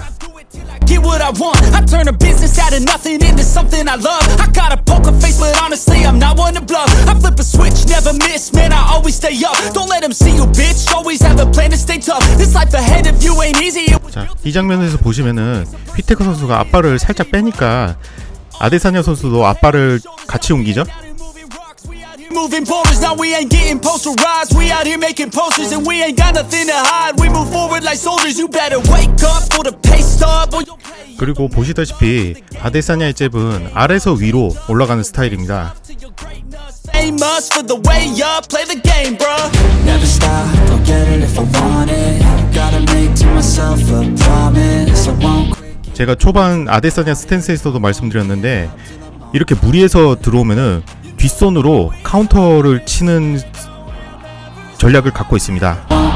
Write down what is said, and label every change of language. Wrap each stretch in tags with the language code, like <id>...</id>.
<ko>자, 이 장면에서 보시면은 휘테커 선수가 앞발을 살짝 빼니까 아데사냐 선수도 앞발을 같이 옮기죠?</ko> <en>Moving boulders, now we ain't getting posterized. We out here making posters and we ain't got nothing to hide. We move forward like soldiers. You better wake up for the pay stub.</en> <ko>그리고 보시다시피 아데사냐의 잽은 아래서 위로 올라가는 스타일입니다.</ko> <en>Famous for the way you play the game, bro. Never stop, don't get it if I want it. Gotta make to myself a promise. I won't quit.</en> <ko>제가 초반 아데사냐 스탠스에서도 말씀드렸는데, 이렇게 무리해서 들어오면은 뒷손으로 카운터를 치는 전략을 갖고 있습니다.</ko>